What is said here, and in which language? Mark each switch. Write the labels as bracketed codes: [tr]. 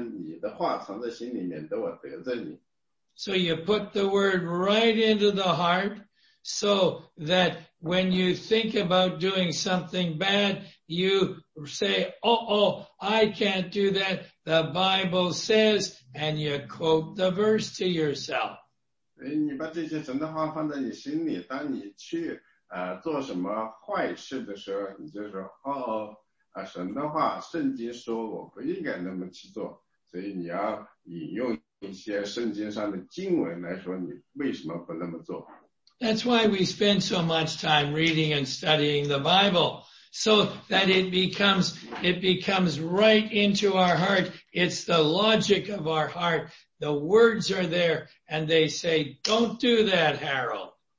[zh] 所以第十一节就是答案,我在你的话藏在心里面,得我得罪你。 [en] So you put the word right into the heart so that when you think about doing something bad, you say, uh-oh, I can't do that. The Bible says, and you quote the verse to yourself. [zh] 所以你把这些神的话放在你心里,当你去做什么坏事的时候,你就说,哦,神的话,圣经说我不应该那么去做,所以你要引用一些圣经上的经文来说,你为什么不那么做? [en] That's why we spend so much time reading and studying the Bible, so that it becomes right into our heart. It's the logic of our heart. The words are there, and they say, don't do that, Harold.